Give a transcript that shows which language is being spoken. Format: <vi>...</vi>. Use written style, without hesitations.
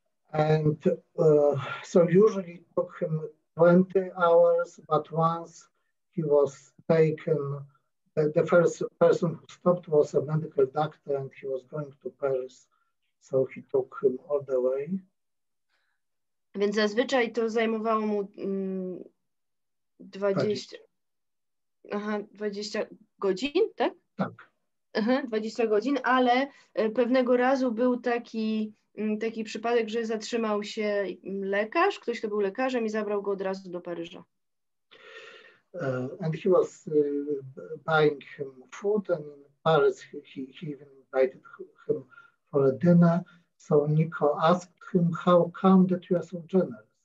<en>And so usually it took him 20 hours, but once he was taken, the first person who stopped was a medical doctor, and he was going to Paris, so he took him all the way.</en> <pl>Więc zazwyczaj to zajmowało mu 20 godzin, tak? Tak. 20 godzin, ale pewnego razu był taki taki przypadek, że zatrzymał się lekarz, ktoś, kto był lekarzem, i zabrał go od razu do Paryża.</pl> <en>And he was buying him food, and in Paris he even invited him for a dinner. So Nico asked him, how come that you are so generous?</en>